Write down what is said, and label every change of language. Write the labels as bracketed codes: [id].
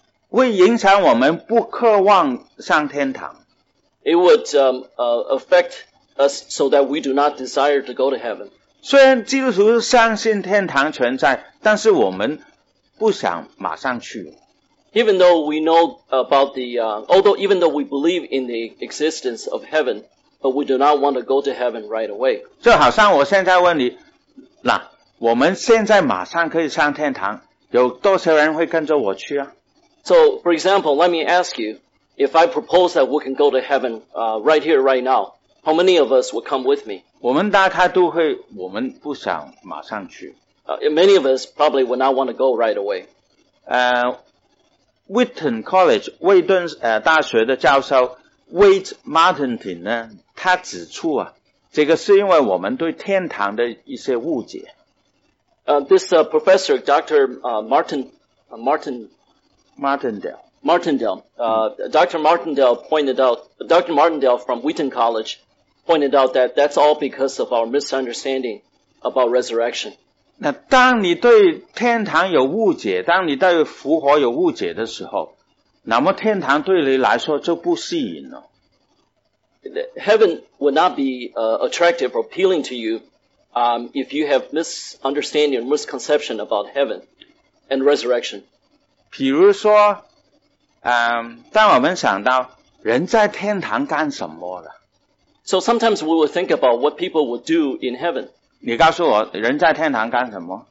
[zh] 会影响我们不渴望上天堂。 [en] It would affect us so that we do not desire to go to heaven. [zh] 虽然基督徒相信天堂存在，但是我们不想马上去。 [en] Even though we know about the, although even though we believe in the existence of heaven, but we do not want to go to heaven right away. [zh] 就好像我现在问你，那我们现在马上可以上天堂，有多少人会跟着我去啊？ [en] So, for example, let me ask you, if I propose that we can go to heaven, right here, right now, how many of us would come with me? [zh] 我们大概都会，我们不想马上去。 [en] Many of us probably would not want to go right away. [zh] Wheaton College 魏顿大学的教授 Wade Martin 呢，他指出啊，这个是因为我们对天堂的一些误解。 [en] Professor Dr. Martindale, Dr. Martindale pointed out, Dr. Martindale from Wheaton College pointed out that that's all because of our misunderstanding about resurrection. [zh] 那当你对天堂有误解，当你对复活有误解的时候，那么天堂对你来说就不吸引了。 [en] Heaven would not be attractive or appealing to you if you have misunderstanding or misconception about heaven and resurrection. [zh] 比如说，当我们想到人在天堂干什么的。 [en] So sometimes we will think about what people would do in heaven. [zh] 你告诉我，人在天堂干什么？